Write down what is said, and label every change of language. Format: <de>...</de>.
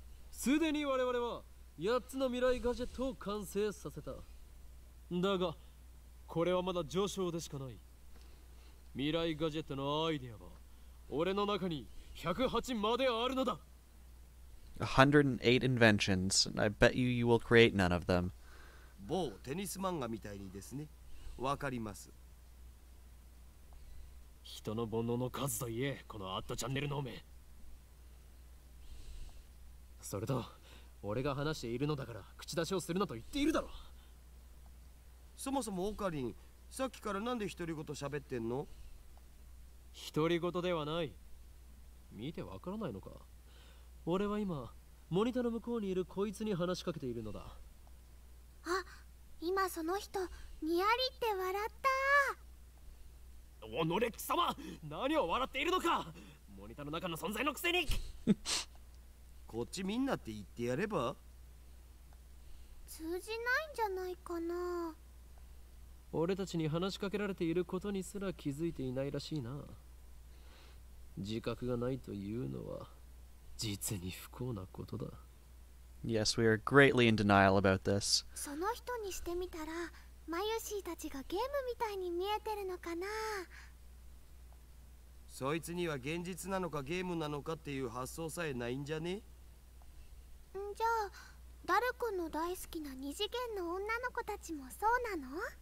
<ja>すでに我々は8つの未来ガジェットを完成させた。だがこれはまだ序章でしかない。未来ガジェットのアイデアは俺の中に108まであるのだ。</ja> <en>108 inventions. I bet you will create none of them.</en> <ja>某テニス漫画みたいにですね。わかります。人の煩悩の数といえ、このアットチャンネルのおめ、それと俺が話しているのだから口出しをするなと言っているだろう。そもそもオカリン、さっきからなんで独り言喋ってんの？独り言ではない。見てわからないのか。俺は今モニターの向こうにいるこいつに話しかけているのだ。あ、今その人にやりって笑った。おのれ貴様、何を笑っているのか。モニターの中の存在のくせに。こっちみんなって言ってやれば。通じないんじゃないかな。俺たちに話しかけられていることにすら気づいていないらしいな。自覚がないというのは実に不幸なことだ。</ja> <en>Yes, we are greatly in denial about this.</en> <ja>その人にしてみたら、マユシーたちがゲームみたいに見えてるのかな。そいつには現実なのかゲームなのかっていう発想さえないんじゃね。んじゃあ、ダル君の大好きな二次元の女の子たちもそうなの？</ja>